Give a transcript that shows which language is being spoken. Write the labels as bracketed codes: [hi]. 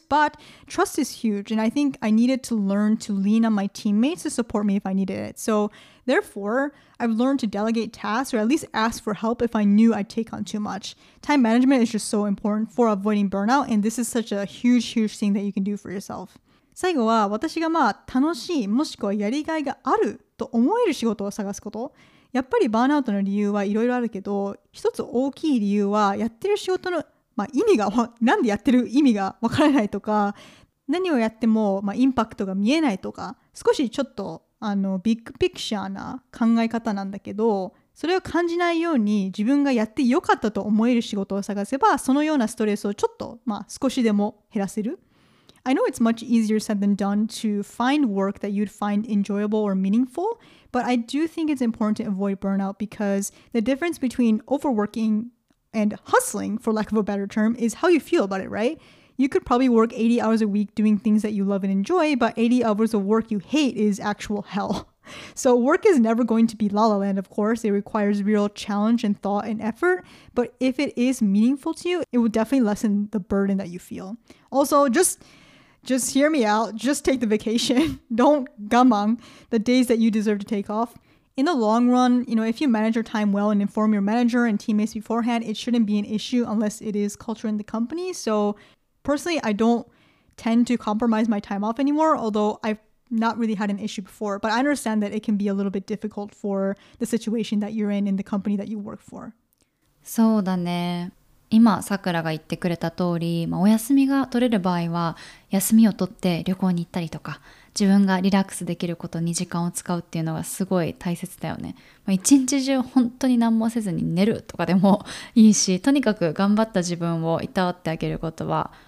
[en] But trust is huge, and I think I needed to learn to lean on my teammates to support me if I needed it. So therefore, I've learned to delegate tasks or at least ask for help if I knew I'd take on too much. Time management is just so important for avoiding burnout, and this is such a huge, huge thing that you can do for yourself. [ja] 最後は私がまあ楽しいもしくはやりがいがあると思える仕事を探すこと。やっぱりバーンアウトの理由はいろいろあるけど、一つ大きい理由はやってる仕事の、まあ、意味がなんでやってる意味がわからないとか、何をやってもまあインパクトが見えないとか、少しちょっとビッグピクチャーな考え方なんだけど、それを感じないように自分がやってよかったと思える仕事を探せば、そのようなストレスをちょっと、まあ、少しでも減らせる。 [en] I know it's much easier said than done to find work that you'd find enjoyable or meaningful, but I do think it's important to avoid burnout because the difference between overworking and hustling, for lack of a better term, is how you feel about it, right? You could probably work 80 hours a week doing things that you love and enjoy, but 80 hours of work you hate is actual hell. So work is never going to be La La Land, of course. It requires real challenge and thought and effort. But if it is meaningful to you, it will definitely lessen the burden that you feel. Also, Just hear me out. Just take the vacation. Don't 我慢 the days that you deserve to take off. In the long run, you know, if you manage your time well and inform your manager and teammates beforehand, it shouldn't be an issue unless it is culture in the company. So personally, I don't tend to compromise my time off anymore, although I've not really had an issue before. But I understand that it can be a little bit difficult for the situation that you're in the company that you work for. [ja] そうだね。今さくらが言ってくれた通り、まあ、お休みが取れる場合は休みを取って旅行に行ったりとか、自分がリラックスできることに時間を使うっていうのがすごい大切だよね。まあ、一日中本当に何もせずに寝るとかでもいいし、とにかく頑張った自分をいたわってあげることは